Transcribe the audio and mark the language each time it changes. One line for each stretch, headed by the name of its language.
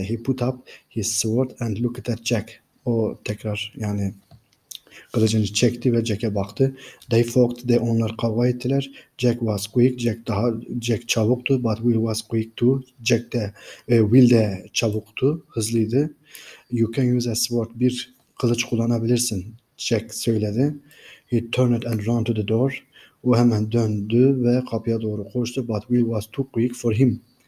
English: He put up his sword and looked at Jack.
Turkish: O tekrar yani kılıcını çekti ve Jack'e baktı.
English: They fought, they
Turkish: onlar kavga ettiler.
English: Jack was quick,
Turkish: Jack çabuktu,
English: but Will was quick too.
Turkish: Jack de, Will de çabuktu, hızlıydı.
English: You can use a sword,
Turkish: bir kılıç kullanabilirsin, Jack söyledi.
English: He turned and ran to the door.
Turkish: O hemen döndü ve kapıya doğru koştu,
English: but Will was too quick for him.